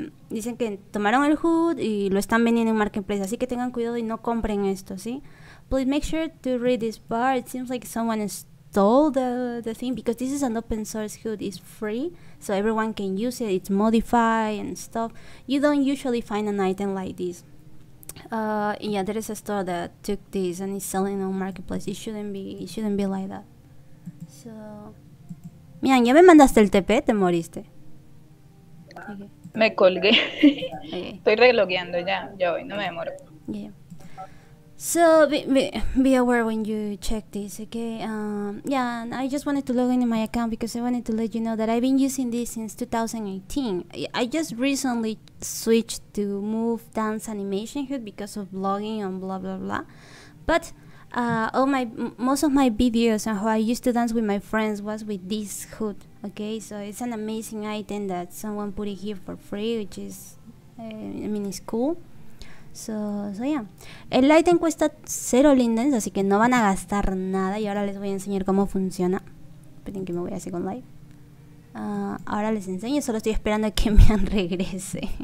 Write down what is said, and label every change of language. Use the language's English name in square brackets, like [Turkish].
[Spanish] Dicen que tomaron el hood y lo están vendiendo en Marketplace, así que tengan cuidado y no compren esto, ¿sí? [English] Please make sure to read this part. It seems like someone stole the thing because this is an open source hood. It's free, so everyone can use it. It's modified and stuff. You don't usually find an item like this. Yeah, there is a store that took this and is selling on Marketplace. It shouldn't be like that. [Spanish] So, Mian, ¿ya me mandaste el TP? ¿Te moriste? Okay. Me colgué. Estoy relogueando ya voy, no me demoro. [English] Yeah. So be aware when you check this, okay? Yeah, I just wanted to log in my account because I wanted to let you know that I've been using this since 2018. I just recently switched to Move Dance Animation Hood because of blogging and blah blah blah. But most of my videos and how I used to dance with my friends was with this hood, okay? So it's an amazing item that someone put it here for free, which is, I mean, it's cool. So yeah. [Spanish] El item cuesta 0 lindens, así que no van a gastar nada. Y ahora les voy a enseñar cómo funciona. Esperen que me voy a Second Life. Ahora les enseño, solo estoy esperando a que me regrese.